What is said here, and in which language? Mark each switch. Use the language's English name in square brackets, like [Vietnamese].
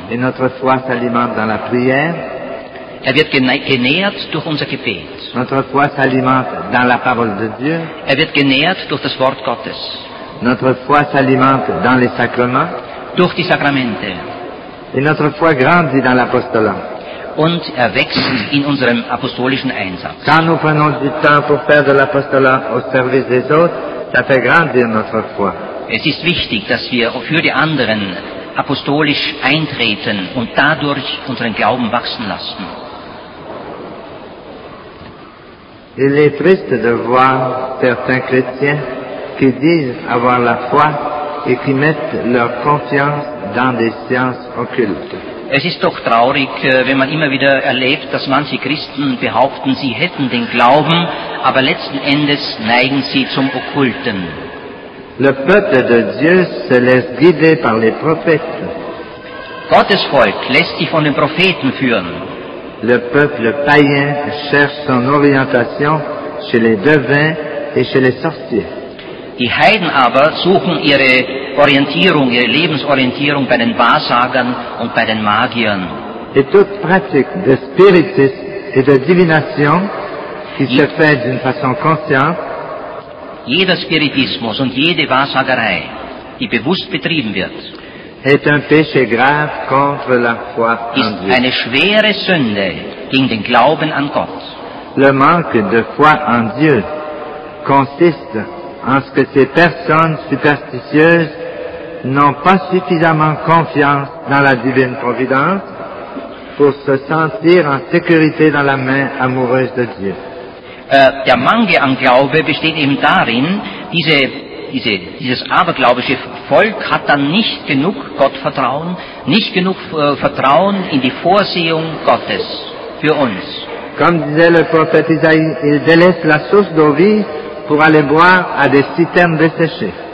[French] Et notre foi s'alimente dans la prière. [German] Er wird genährt durch unser Gebet. [French] Notre foi s'alimente dans la parole de Dieu. [German] Er wird genährt durch das Wort Gottes. [French] Notre foi s'alimente dans les sacrements. [German] Durch die Sakramente. [French] Et notre foi grandit dans l'apostolat. [German] Und er wächst in unserem apostolischen Einsatz. [French] Quand nous prenons du temps pour faire de l'apostolat au service des autres, ça fait grandir notre foi. [German] Es ist wichtig, dass wir für die anderen apostolisch eintreten und dadurch unseren Glauben wachsen lassen. [French] Il est triste de voir certains chrétiens qui disent avoir la foi et qui mettent leur confiance dans des sciences occultes. [German] Es ist doch traurig, wenn man immer wieder erlebt, dass manche Christen behaupten, sie hätten den Glauben, aber letzten Endes neigen sie zum Okkulten. [French] Le peuple de Dieu se laisse guider par les prophètes. [German] Gottes Volk lässt sich von den Propheten führen. [French] Le peuple païen cherche son orientation chez les devins et chez les sorciers. [German] Die Heiden aber suchen ihre Orientierung, ihre Lebensorientierung bei den Wahrsagern und bei den Magiern. [French] Et toute pratique de spiritisme et de divination qui se fait d'une façon consciente. [German] Jeder Spiritismus und jede Wahrsagerei, die bewusst betrieben wird, [French] est un péché grave contre la foi en Dieu. [German] Ist eine schwere Sünde gegen den Glauben an Gott. [French] Le manque de foi en Dieu consiste en ce que ces personnes superstitieuses n'ont pas suffisamment confiance dans la divine providence pour se sentir en sécurité dans la main amoureuse de Dieu. [German] Der Mangel an Glaube besteht eben darin, dieses abergläubische Volk hat dann nicht genug Gottvertrauen, nicht genug Vertrauen in die Vorsehung Gottes für uns. [French] Comme disait le prophète Isaïe, il délaisse la source d'eau vive pour aller boire à des citernes desséchées.